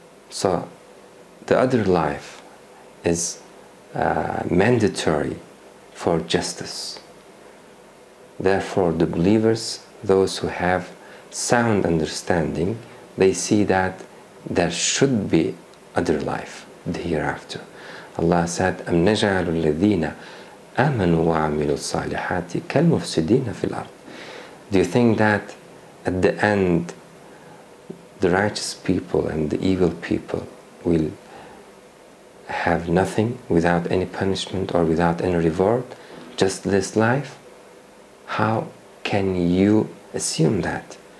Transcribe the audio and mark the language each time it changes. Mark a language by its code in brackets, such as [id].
[en] So the other life is mandatory for justice. Therefore, the believers, those who have sound understanding, they see that there should be other life, the hereafter. [ar] Allah said, أَمْ نَجْعَلُ الَّذِينَ آمَنُوا وَعَمِلُوا الصَّالِحَاتِ كَالْمُفْسِدِينَ فِي الْأَرْضِ. [en] Do you think that at the end, the righteous people and the evil people will have nothing without any punishment or without any reward, just this life, how can you assume that?